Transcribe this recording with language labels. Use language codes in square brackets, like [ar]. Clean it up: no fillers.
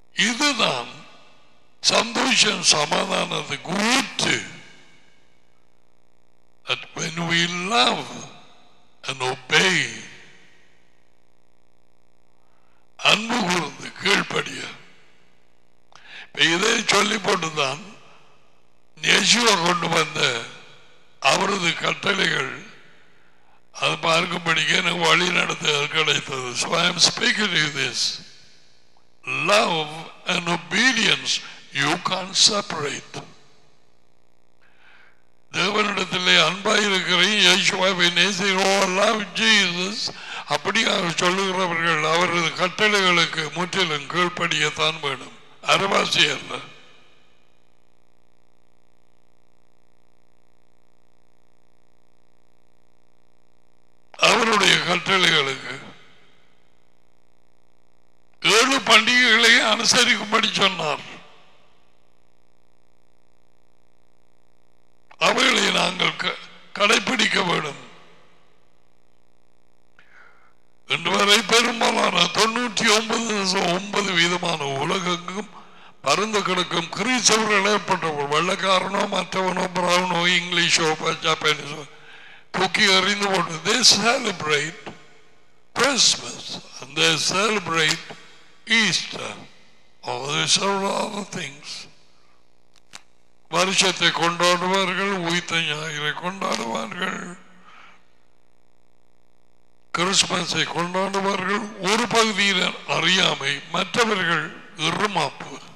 [ta] இதுதான் சந்தோஷம், சமாதானத்தை குறித்து. [en] That when we love and obey, [ta] அன்பு கூர்ந்து கீழ்ப்படிய. இதை சொல்லிப்பட்டுதான் யேசுவா கொண்டு வந்த அவரது கட்டளைகள். அதை பார்க்கும்படிக்கே எனக்கு வழி நடத்த கிடைத்தது. [en] So I am speaking to this. Love and obedience, you can't separate. [ta] தேவனிடத்திலே அன்பாயிருக்கிறேன், யேசுவாவை நேசிக்கிறோம், [en] love Jesus, [ta] அப்படி அவர் சொல்லுகிறவர்கள் அவரது கட்டளைகளுக்கு முற்றிலும் கீழ்ப்படியத்தான் வேணும். அரவாசி அல்ல. அவருடைய கட்டளைகளுக்கு 7 பண்டிகைகளையும் அனுசரிக்கும்படி சொன்னார். அவைகளை நாங்கள் கடைபிடிக்க வேண்டும். இன்றுவரை பெரும்பாலான 99% விதமான உலகெங்கும் பறந்து கிடக்கும் கிறிஸ்தவர்கள் ஏற்பட்டவர்கள், வெள்ளக்காரனோ மற்றவனோ பிராவனோ இங்கிலீஷோ ஜப்பானீஸோ தூக்கி எறிந்து போட்டு. [en] They celebrate Christmas and they celebrate Easter. All these are other things. [ta] வருஷத்தை கொண்டாடுவார்கள், உயிர்த்த ஞாயிறை கொண்டாடுவார்கள், கிறிஸ்துமஸை கொண்டாடுவார்கள். ஒரு பகுதியில் அறியாமை, மற்றவர்கள் இருமாப்பு.